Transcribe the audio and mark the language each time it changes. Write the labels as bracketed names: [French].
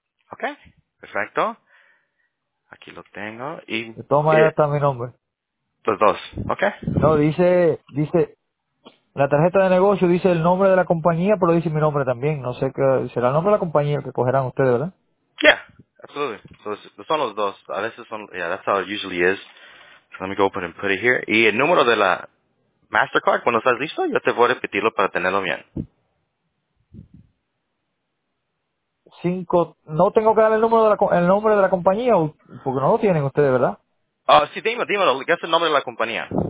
[Spanish] Ok, perfecto. Aquí lo tengo. Y toma, ya está mi nombre. Los dos, ok. No, dice, la tarjeta de negocio dice el nombre de la compañía, pero dice mi nombre también. No sé qué, será el nombre de la compañía que cogerán ustedes, ¿verdad? [English] Yeah, absolutely. [Spanish] So, son los dos. A veces son, [English] yeah, that's how it usually is. Let me go open and put it here. [Spanish] Y el número de la Mastercard, cuando estás listo, yo te voy a repetirlo para tenerlo bien. Cinco. ¿No tengo que dar el nombre de la compañía? Porque no lo tienen ustedes, ¿verdad? Sí, dímelo. ¿Qué es el nombre de la compañía?